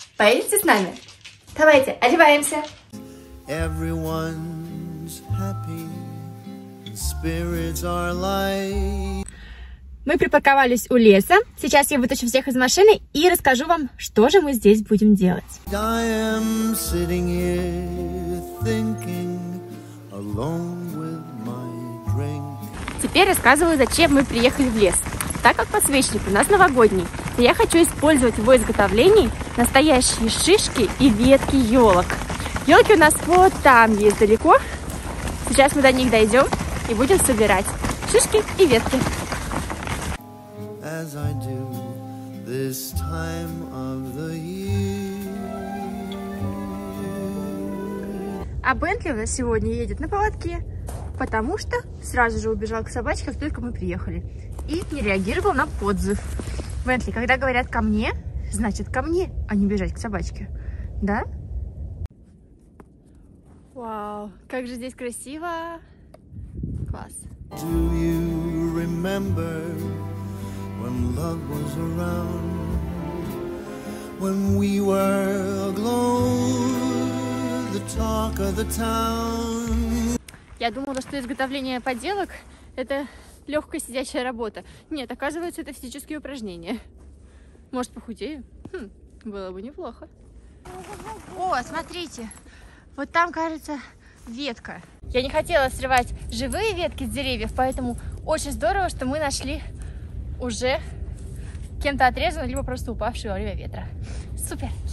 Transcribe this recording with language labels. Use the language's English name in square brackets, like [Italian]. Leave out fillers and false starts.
[Russian] Поедете с нами? Давайте, одеваемся. [English] Everyone's happy. Spirits are light. [Russian] Мы припарковались у леса. Сейчас я вытащу всех из машины и расскажу вам, что же мы здесь будем делать. [English] I am sitting here thinking along with my drink. [Russian] Теперь рассказываю, зачем мы приехали в лес. Так как подсвечник у нас новогодний, то я хочу использовать в его изготовлении настоящие шишки и ветки елок. Елки у нас вот там есть далеко. Сейчас мы до них дойдем и будем собирать шишки и ветки. [English] As I do this time of the year. [Russian] А Бентли у нас сегодня едет на поводке, потому что сразу же убежал к собачке, как только мы приехали. И не реагировал на подзыв. Бентли, когда говорят ко мне, значит ко мне, а не бежать к собачке. Да? Вау, как же здесь красиво. Класс. [English] Do you remember when love was around? When we were aglow, the talk of the town. [Russian] Я думала, что изготовление поделок — это легкая сидячая работа. Нет, оказывается, это физические упражнения. Может, похудею? Было бы неплохо. О, смотрите! Вот там, кажется, ветка. Я не хотела срывать живые ветки с деревьев, поэтому очень здорово, что мы нашли уже кем-то отрезанную, либо просто упавшую во время ветра. Супер!